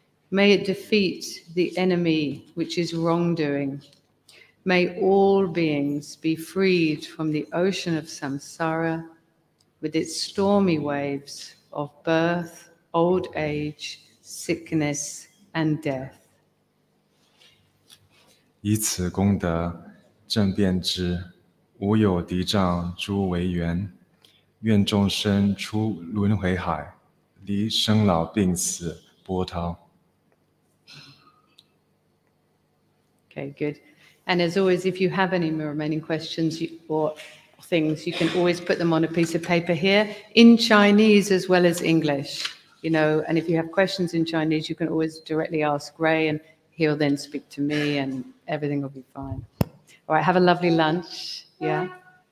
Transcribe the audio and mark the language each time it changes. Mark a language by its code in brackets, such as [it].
[en] May it defeat the enemy, which is wrongdoing. May all beings be freed from the ocean of samsara, with its stormy waves of birth, old age, sickness, and death. [zh] 以此功德，正遍知无有敌障诸为缘，愿众生出轮回海，离生老病死波涛。 [en] Okay, good. And as always, if you have any remaining questions or things, you can always put them on a piece of paper here in Chinese as well as English. You know, and if you have questions in Chinese, you can always directly ask Ray and he'll then speak to me and everything will be fine. All right, have a lovely lunch. Yeah.